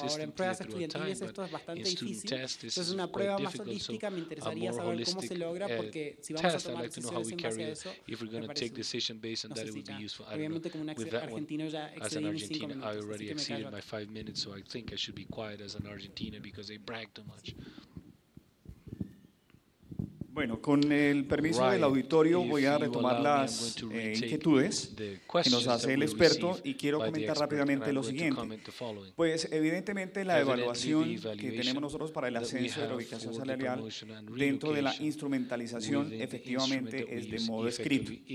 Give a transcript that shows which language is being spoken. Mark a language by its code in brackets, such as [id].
[es] Ahora, en pruebas estudiantiles esto es bastante difícil. Entonces, una prueba más holística me interesaría saber cómo se logra, porque si vamos a tomar decisiones en base a eso, me parece útil. Obviamente, como un argentino, ya excedí mis 5 minutos. [en] I already exceeded my 5 minutes, so I think I should be quiet as an Argentina because they brag too much. [es] Bueno, con el permiso del auditorio, voy a retomar las inquietudes que nos hace el experto y quiero comentar rápidamente lo siguiente. Pues, evidentemente, la evaluación que tenemos nosotros para el ascenso de la ubicación salarial dentro de la instrumentalización, efectivamente, es de modo escrito.